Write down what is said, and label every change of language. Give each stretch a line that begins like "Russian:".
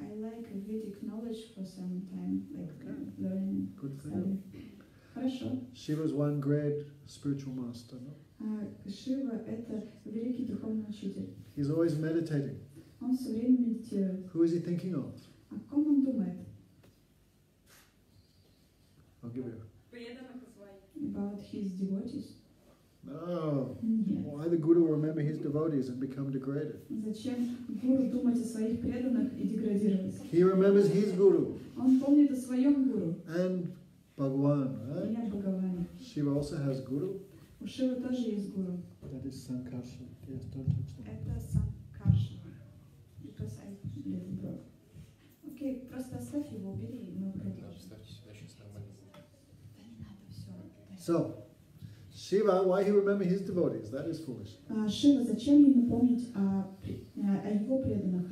English: I like a Vedic knowledge for some time, like learning. Good for you.
Russian: Хорошо.
English: Shiva is one great spiritual master, no?
Russian: Шива — это великий духовный учитель.
English: He's always meditating.
Russian: Он все время медитирует.
English: Who is he thinking of?
Russian: О ком он думает?
English: I'll give you. About his devotees. No. Yes. Why the guru remember his devotees and become degraded?
Russian: Зачем гуру думать о своих преданных и деградировать?
English: He remembers his guru.
Russian: Он помнит о своем гуру.
English: And Bhagwan, right?
Russian: И Бхагаване.
English: Shiva also has guru.
Russian: У Шивы тоже есть гуру.
English: That is Sankarsan. Yes, don't touch that.
Russian: Это Sankarsan.
English: Because I didn't broke.
Russian: Окей, просто оставь его, убери, и мы продолжим. Да не надо, все.
English: So, Shiva, why he remember his devotees? That is foolish.
Russian: Шива, зачем ему помнить о его преданных?